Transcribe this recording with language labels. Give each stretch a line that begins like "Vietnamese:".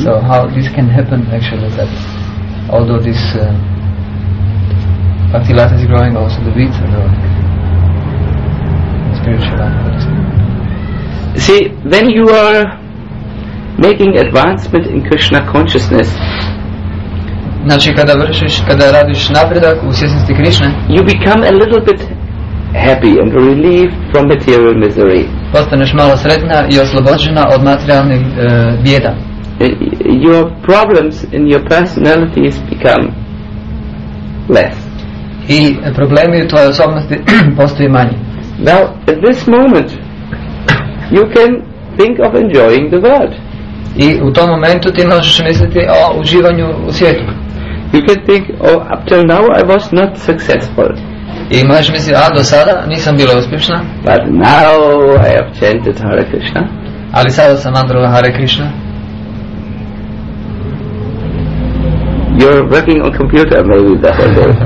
English: So how this can happen actually, that although this Bhakti Lata is growing, also the wheat are growing. See, when you are making advancement in Krishna consciousness,
Croatian: znači kada vršiš, kada radiš napredak u svjesnosti Krishne,
English: you become a little bit happy and relieved from material misery.
Croatian: Postaneš malo sretna i oslobođena od materijalnih bijeda.
English: Your problems in your personality become less.
Croatian: I problemi u tvojoj osobnosti postaju manji.
English: Now, at this moment, you can think of enjoying the world.
Croatian: I u tom momentu ti možeš misliti o uživanju u svijetu.
English: You can think, oh, up till now I was not successful.
Croatian: I možeš misliti, a do sada nisam bila uspješna.
English: But now I have chanted Hare Krishna.
Croatian: Ali sada sam mantrala Hare Krishna.
English: You're working on computer, maybe that will do.